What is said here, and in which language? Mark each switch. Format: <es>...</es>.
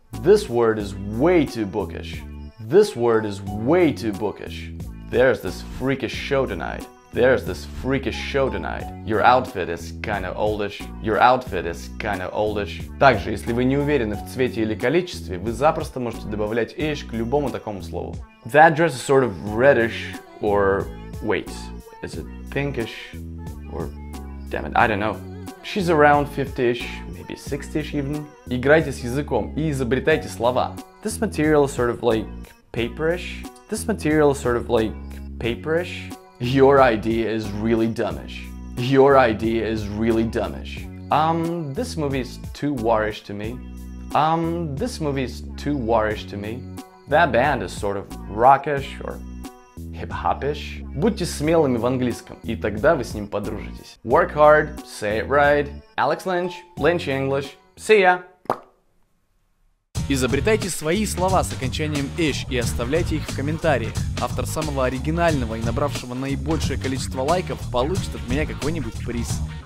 <en>This word is way too bookish. This word is way too bookish. There's this freakish show tonight. There's this freakish show tonight. Your outfit is kinda oldish. Your outfit is kinda oldish.</en> <ru>Также, если вы не уверены в цвете или количестве, вы запросто можете добавлять -ish к любому такому слову.</ru> <en>That dress is sort of reddish or... Wait, is it pinkish? Or... Damn it, I don't know. She's around 50-ish, maybe 60-ish even.</en> <ru>Играйте с языком и изобретайте слова.</ru> <en>This material is sort of like... Paperish? This material is sort of like... Paperish? Your idea is really dumbish. Your idea is really dumbish. This movie is too warish to me. This movie is too warish to me. That band is sort of rockish or hip-hopish.</en> <ru>Будьте смелыми в английском, и тогда вы с ним подружитесь.</ru> <en>Work hard, say it right. Alex Lynch, Lynch English. See ya!</en> <ru>Изобретайте свои слова с окончанием -ish и оставляйте их в комментариях. Автор самого оригинального и набравшего наибольшее количество лайков получит от меня какой-нибудь приз.</ru>